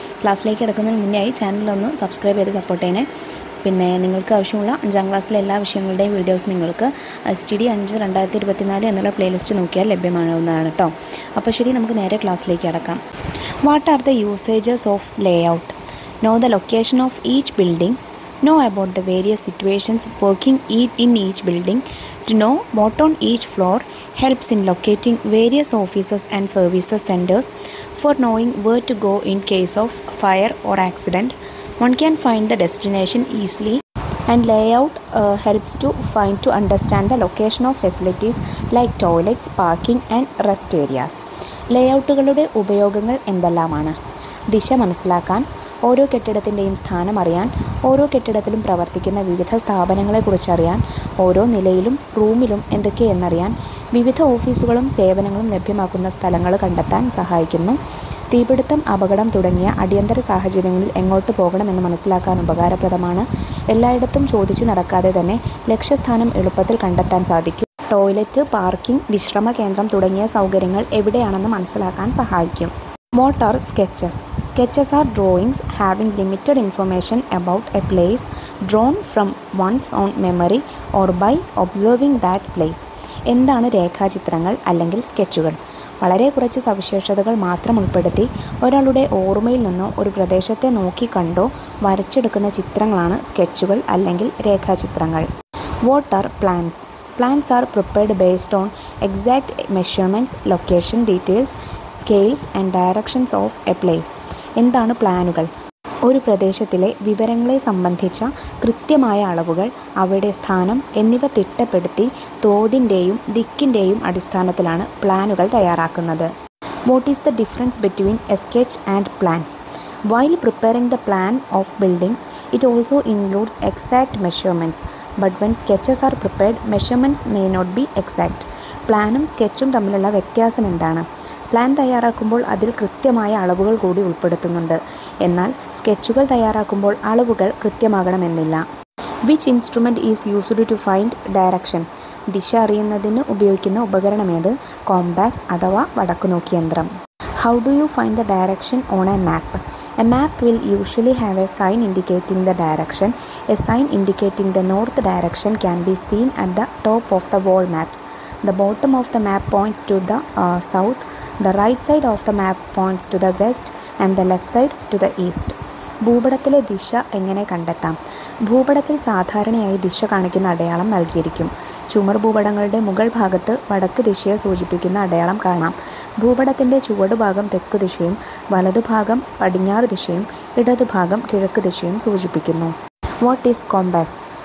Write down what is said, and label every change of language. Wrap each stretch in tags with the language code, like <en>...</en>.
<ml>ക്ലാസ്സിലേക്ക് കിടക്കുന്നതിന് മുന്നേ ചാനലൊന്ന് സബ്സ്ക്രൈബ് ചെയ്ത് സപ്പോർട്ട് ചെയ്യണേ. പിന്നെ നിങ്ങൾക്ക് ആവശ്യമുള്ള അഞ്ചാം ക്ലാസ്സിലെ എല്ലാ വിഷയങ്ങളുടെയും വീഡിയോസ് നിങ്ങൾക്ക് STD 5 2024 എന്നുള്ള പ്ലേലിസ്റ്റ് നോക്കിയാൽ ലഭ്യമാകുന്നതാണ് കേട്ടോ. അപ്പോൾ ശരി, നമുക്ക് നേരെ ക്ലാസ്സിലേക്ക് കിടക്കാം.</ml> <en>What are the usages of layout? Know the location of each building. Know about the various situations working in each building. To know what on each floor helps in locating various offices and services centers. For knowing where to go in case of fire or accident, one can find the destination easily. And layout helps to find to understand the location of facilities like toilets, parking and rest areas.</en> <ml>ലേഔട്ടുകളുടെ ഉപയോഗങ്ങൾ എന്തെല്ലാമാണ്? ദിശ മനസ്സിലാക്കാൻ, ഓരോ കെട്ടിടത്തിൻ്റെയും സ്ഥാനം അറിയാൻ, ഓരോ കെട്ടിടത്തിലും പ്രവർത്തിക്കുന്ന വിവിധ സ്ഥാപനങ്ങളെക്കുറിച്ചറിയാൻ, ഓരോ നിലയിലും റൂമിലും എന്തൊക്കെയെന്നറിയാൻ, വിവിധ ഓഫീസുകളും സേവനങ്ങളും ലഭ്യമാക്കുന്ന സ്ഥലങ്ങൾ കണ്ടെത്താൻ സഹായിക്കുന്നു. തീപിടുത്തം, അപകടം തുടങ്ങിയ അടിയന്തര സാഹചര്യങ്ങളിൽ എങ്ങോട്ട് പോകണമെന്ന് മനസ്സിലാക്കാൻ ഉപകാരപ്രദമാണ്. എല്ലായിടത്തും ചോദിച്ചു നടക്കാതെ തന്നെ ലക്ഷ്യസ്ഥാനം എളുപ്പത്തിൽ കണ്ടെത്താൻ സാധിക്കും. ടോയ്ലറ്റ്, പാർക്കിംഗ്, വിശ്രമ കേന്ദ്രം തുടങ്ങിയ സൗകര്യങ്ങൾ എവിടെയാണെന്ന് മനസ്സിലാക്കാൻ സഹായിക്കും.</ml> <en>What are sketches? Sketches are drawings having limited information about a place drawn from one's own memory or by observing that place.</en> <ml>എന്താണ് രേഖാചിത്രങ്ങൾ അല്ലെങ്കിൽ സ്കെച്ചുകൾ? വളരെ കുറച്ച് സവിശേഷതകൾ മാത്രം ഉൾപ്പെടുത്തി ഒരാളുടെ ഓർമ്മയിൽ നിന്നോ ഒരു പ്രദേശത്തെ നോക്കിക്കണ്ടോ വരച്ചെടുക്കുന്ന ചിത്രങ്ങളാണ് സ്കെച്ചുകൾ അല്ലെങ്കിൽ രേഖാചിത്രങ്ങൾ.</ml> <en>What are plans? Plans are prepared based on exact measurements, location details, scales and directions of a place.</en> <ml>എന്താണ് പ്ലാനുകൾ? ഒരു പ്രദേശത്തിലെ വിവരങ്ങളെ സംബന്ധിച്ച കൃത്യമായ അളവുകൾ, അവയുടെ സ്ഥാനം എന്നിവ തിട്ടപ്പെടുത്തി തോതിൻ്റെയും ദിക്കിൻ്റെയും അടിസ്ഥാനത്തിലാണ് പ്ലാനുകൾ തയ്യാറാക്കുന്നത്.</ml> <en>What is the difference between a sketch and plan? While preparing the plan of buildings, it also includes exact measurements. But when sketches are prepared, measurements may not be exact.</en> <ml>Planum sketchum thammilulla vyathyasam endana? Plan തയ്യാറാക്കുമ്പോൾ അതിൽ കൃത്യമായ അളവുകൾ കൂടി ഉൾപ്പെടുത്തുന്നുണ്ട്. എന്നാൽ സ്കെച്ചുകൾ തയ്യാറാക്കുമ്പോൾ അളവുകൾ കൃത്യമാകണമെന്നില്ല.</ml> <en>Which instrument is used to find direction?</en> <ml>ദിശ അറിയുന്നതിന് ഉപയോഗിക്കുന്ന ഉപകരണമേത്? കോമ്പാസ് അഥവാ വടക്കുനോക്കിയന്ത്രം.</ml> <en>How do you find the direction on a map? A map will usually have a sign indicating the direction. A sign indicating the north direction can be seen at the top of the wall maps. The bottom of the map points to the south. The right side of the map points to the west and the left side to the east.</en> <ml>ഭൂപടത്തിലെ ദിശ എങ്ങനെ കണ്ടെത്താം? ഭൂപടത്തിൽ സാധാരണയായി ദിശ കാണിക്കുന്ന അടയാളം നൽകിയിരിക്കും. ചുമർ ഭൂപടങ്ങളുടെ മുകൾ ഭാഗത്ത് വടക്ക് ദിശയെ സൂചിപ്പിക്കുന്ന അടയാളം കാണാം. ഭൂപടത്തിൻ്റെ ചുവടുഭാഗം തെക്കു ദിശയും വലതുഭാഗം പടിഞ്ഞാറ് ദിശയും ഇടതുഭാഗം കിഴക്ക് ദിശയും സൂചിപ്പിക്കുന്നു.</ml> <en>What is compass?</en>